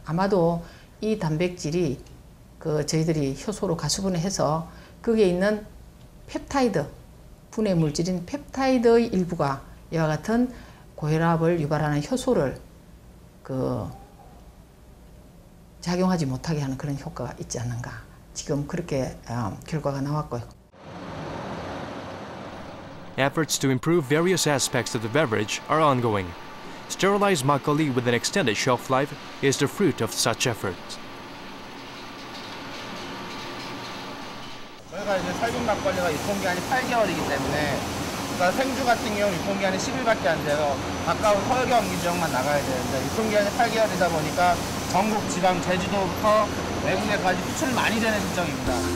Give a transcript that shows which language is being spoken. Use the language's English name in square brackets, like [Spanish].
[Korean] 아마도 이 단백질이 그 저희들이 효소로 가수분을 해서 거기에 있는 펩타이드, 분해 물질인 펩타이드의 일부가 이와 같은 고혈압을 유발하는 효소를 그 작용하지 못하게 하는 그런 효과가 있지 않는가. 지금 그렇게 결과가 나왔고요. [English] Efforts to improve various aspects of the beverage are ongoing. Sterilized makgeolli with an extended shelf life is the fruit of such efforts. [Korean] 저희가 이제 살균 막걸리가 유통기한이 8개월이기 때문에 그러니까 생주 같은 경우 유통기한이 10일밖에 안 돼서 가까운 허경기 지역만 나가야 되는데 유통기한이 8개월이다 보니까 전국 지방 제주도부터 외국에까지 수출 많이 되는 시점입니다.